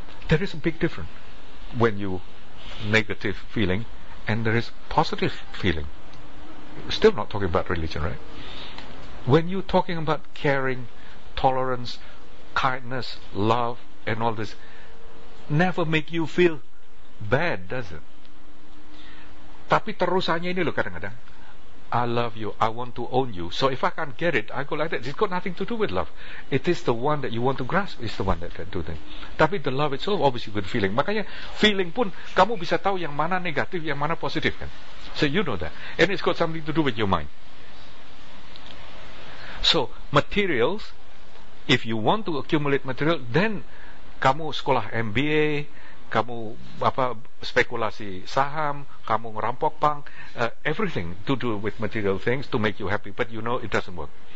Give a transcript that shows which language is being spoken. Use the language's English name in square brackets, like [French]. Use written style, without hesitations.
[English] There is a big difference when you negative feeling and there is positive feeling. Still not talking about religion, right? When you're talking about caring, tolerance, kindness, love, and all this, never make you feel bad, does it? [Indonesian] Tapi terusannya ini loh kadang-kadang. [English] I love you, I want to own you. So if I can't get it, I go like that. It's got nothing to do with love. It is the one that you want to grasp. It's the one that can do that. [Indonesian] Tapi [English] the love itself, obviously good feeling. [Indonesian] Makanya feeling pun, kamu bisa tahu yang mana negatif, yang mana positif kan? [English] So you know that. And it's got something to do with your mind. So materials, if you want to accumulate material, then [Indonesian] kamu sekolah MBA, kamu apa spekulasi saham, kamu ngerampok bank, [English] everything to do with material things to make you happy, but you know it doesn't work.